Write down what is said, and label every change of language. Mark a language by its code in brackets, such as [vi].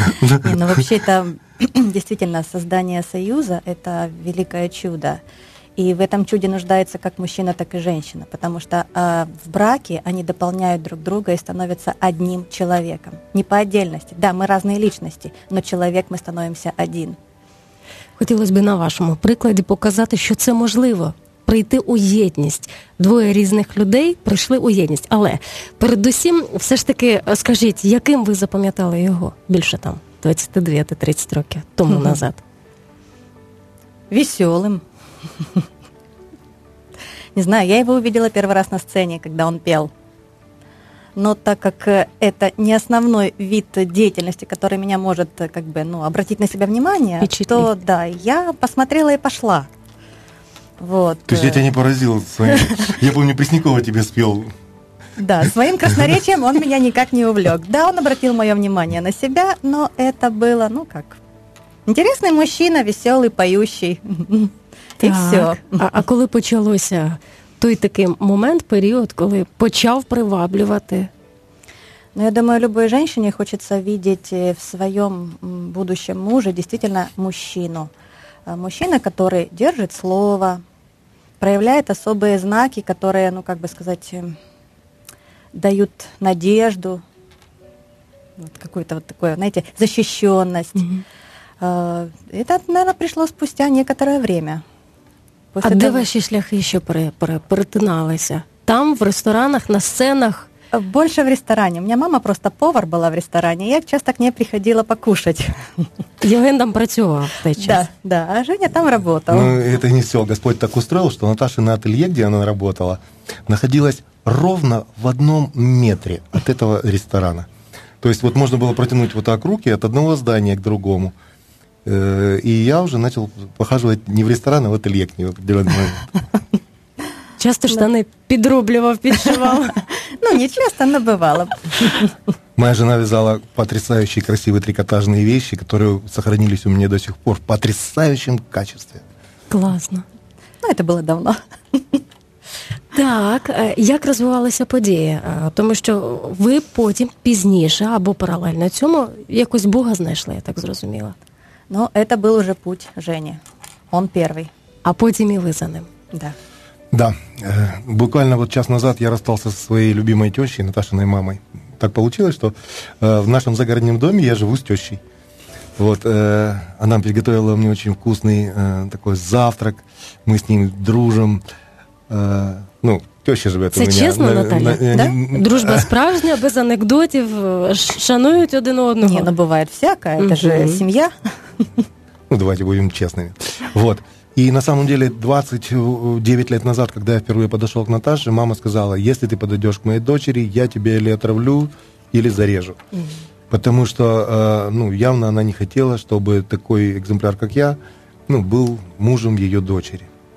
[ru] Но вообще это действительно создание союза, это великое чудо. И в этом чуде нуждается как мужчина, так и женщина, потому что в браке они дополняют друг друга и становятся одним человеком. Не по отдельности, да, мы разные личности, но человек мы становимся один. [uk] Хотілося б на вашому прикладі показати, що це можливо – прийти у єдність. Двоє різних людей прийшли у єдність. Але, передусім, все ж таки, скажіть, яким ви запам'ятали його більше там, 22-30 років тому назад? Веселим. Не знаю, я його побачила перший раз на сцені, коли він пів. [ru] Но так как это не основной вид деятельности, который меня может как бы, ну, обратить на себя внимание, то да, я посмотрела и пошла. Вот. То есть я тебя не поразил своим... Я помню, Преснякова тебе спел. Да, своим красноречием он меня никак не увлек. Да, он обратил мое внимание на себя, но это было, ну как, интересный мужчина, веселый, поющий. И все. [uk] А коли почалося... Той такий момент, період, коли почав приваблювати. [ru] Ну, я думаю, любой женщине хочется видеть в своем будущем муже действительно мужчину. Мужчина, который держит слово, проявляет особые знаки, которые, ну, как бы сказать, дают надежду, вот какую-то вот такую, знаете, защищенность. Mm-hmm. Это, наверное, пришло спустя некоторое время. [uk] После а того, де ваші шляхи ще перетиналися? Там, в ресторанах, на сценах? Більше в ресторані. У мене мама просто повар була в ресторані, [ru] я часто к ней приходила покушать. [uk] Євген там працював в той час. [ru] Да, а Женя там работал. Ну, это не все. Господь так устроил, что Наташа на ательє, где она работала, находилась ровно в одном метре от этого ресторана. То есть вот можно было протянуть вот так руки от одного здания к другому. И я уже начал похаживать не в ресторан, а в ателье к ней в определенный момент. Часто штаны подрубливал, подшивал. Ну, не часто, но бывало. Моя жена вязала потрясающие красивые трикотажные вещи, которые сохранились у меня до сих пор в потрясающем качестве. Классно. Ну, это было давно. [uk] Так, як розвивалася подія? Тому що ви потім пізніше або паралельно цьому якось Бога знайшли, я так зрозуміла. [ru] Но это был уже путь Жени. Он первый. А потом и вы за ним. Да. Да. Буквально вот час назад я расстался со своей любимой тещей, Наташиной мамой. Так получилось, что в нашем загородном доме я живу с тещей. Вот, она приготовила мне очень вкусный такой завтрак. Мы с ним дружим. Ну, теща живет [uk] Це [ru] у меня. [uk] Це чесно, Наталя? Да? Дружба справжня, без анекдотів. Шанують один одного. Ні, ну буває всяка, это же сім'я. [ru] Ну, давайте будем честными. Вот. И на самом деле 29 лет назад, когда я впервые подошел к Наташе, мама сказала, если ты подойдешь к моей дочери, я тебя или отравлю, или зарежу. Mm-hmm. Потому что ну, явно она не хотела, чтобы такой экземпляр, как я, ну, был мужем ее дочери.